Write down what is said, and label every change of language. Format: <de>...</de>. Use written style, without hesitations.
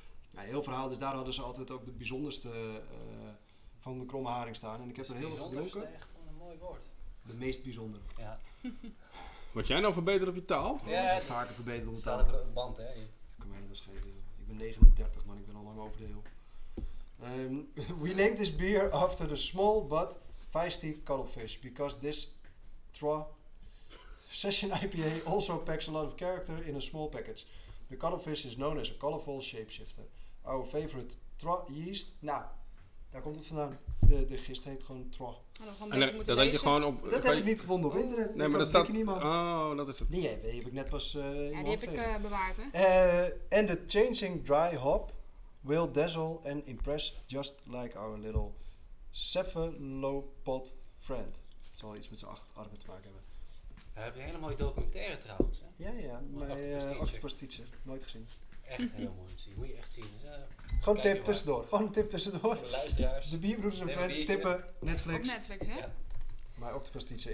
<nl>Ja, heel verhaal, dus daar hadden ze altijd ook de bijzonderste van de Kromme Haring staan. En ik heb dus er heel veel gedronken. Dat is echt gewoon een mooi woord. De meest bijzonder. Ja. Word jij nou verbeterd op je taal? Ja, ik ga vaker verbeterd op de taal. Dat staat op een band, hè? Ik kan mij niet schelen. Ik ben 39, man. Ik ben al lang over de heel.</nl> <en>We named this beer after the small but feisty cuttlefish because this Trois Session IPA also packs a lot of character in a small package. The cuttlefish is known as a colorful shapeshifter. Our favorite Trois yeast.</en> <nl>Nou, daar komt het vandaan. De gist heet gewoon Trois. En dat weet je gewoon op. Dat heb ik niet gevonden op internet. Nee, maar dat staat niemand. Oh, dat is het. Die heb ik net pas. Ja, die heb ik bewaard, hè?</nl> <en>And the changing dry hop will dazzle and impress just like our little cephalopod friend.</en> <nl>Het zal iets met zijn achterarmen te maken hebben. We hebben een hele mooie documentaire trouwens. Hè? Ja, ja. Mijn octopus teacher. Nooit gezien. Echt heel mooi te zien, moet je echt zien. Gewoon tip tussendoor, Voor de luisteraars. De Bierbroeders en Friends tippen Netflix. Op Netflix, hè? Ja. Maar ook de prestige.</nl>